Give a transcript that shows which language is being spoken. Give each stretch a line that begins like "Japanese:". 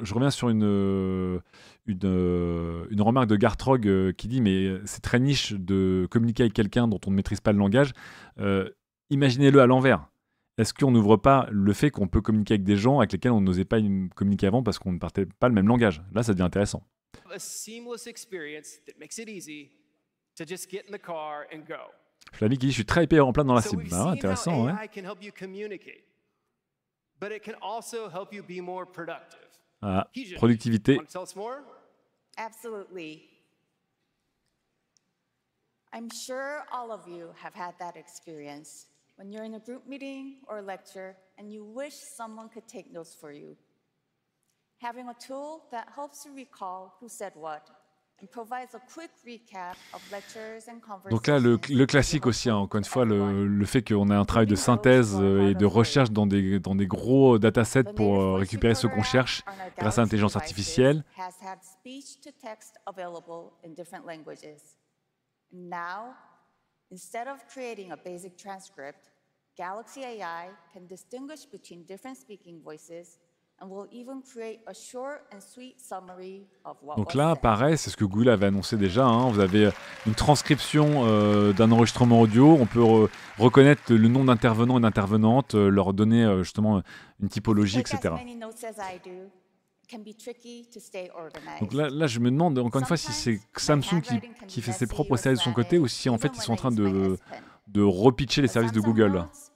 French: Je reviens sur une remarque de Gartrog qui dit « Mais c'est très niche de communiquer avec quelqu'un dont on ne maîtrise pas le langage. Imaginez-le à l'envers. » Est-ce qu'on n'ouvre pas le fait qu'on peut communiquer avec des gens avec lesquels on n'osait pas communiquer avant parce qu'on ne partait pas le même langage ? Là, ça devient intéressant.
English: A seamless experience that makes it easy to just get in the car and go.
French: Flavie qui dit, je suis très hyper en plein dans la cible. Ah, intéressant, ouais.
English: AI can help you communicate, but it can also help you be more productive.
French: Ah, productivité.
English: Want to tell us more? Absolutely. I'm sure all of you have had that experience. When you're in a group meeting or a lecture and you wish someone could take notes for you, having a tool that helps you recall who said what and provides a quick recap of lectures and conversations.
French: Donc là, le classique aussi, hein, encore une fois, le fait qu'on a un travail de synthèse et de recherche dans des gros datasets pour récupérer ce qu'on cherche grâce à l'intelligence artificielle.
English: Has had speech to text available in different languages. Now, instead of creating a basic transcript, Galaxy AI can distinguish between different speaking voices and will even create a short and sweet summary of what.
French: Donc là, pareil, c'est ce que Google avait annoncé déjà. Hein. Vous avez une transcription d'un enregistrement audio. On peut reconnaître le nom d'intervenant et d'intervenante, leur donner justement une typologie, etc.
English: Can be tricky to stay organized.
French: Donc là, je me demande encore une fois si c'est Samsung qui fait ses propres services de son côté ou si en fait ils sont en train de repitcher les services de Google.